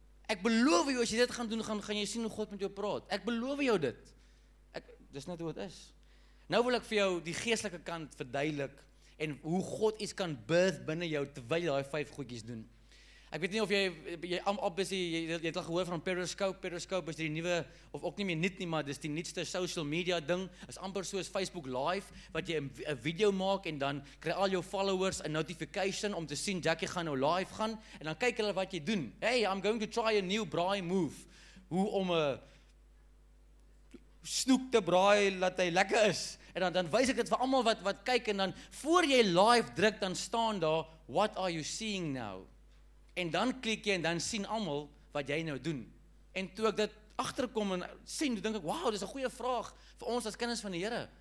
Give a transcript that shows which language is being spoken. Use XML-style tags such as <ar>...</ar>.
<af>Ek beloof jou, as jy dit gaan doen, gaan jy sien hoe God met jou praat. Ek beloof jou dit. Dis net hoe het is. Nou wil ek vir jou die geestelike kant verduidelik en hoe God iets kan birth binnen jou terwyl jy die 5 goedjies doen. Ek weet nie of jy het al gehoor van Periscope. Periscope is die nieuwe, of ook nie meer niet nie, maar dis die nietste social media ding. Is amper soos Facebook Live, wat jy 'n video maak en dan kry al jou followers 'n notification om te sien, Jackie gaan nou live gaan, en dan kyk hulle wat jy doen.</af> <en>Hey, I'm going to try a new braai move.</en> <af>Hoe om 'n snoek te braai, dat hy lekker is. En dan wys ek dit vir allemaal wat kyk, en dan voor jy live druk, dan staan daar,</af> <en>what are you seeing now?</en> <af>En dan klik jy en dan sien almal wat jy nou doen. En toe ek dit agterkom en sien, toe dink ek, wow, dis 'n goeie vraag vir ons as kinders van die Here.</af>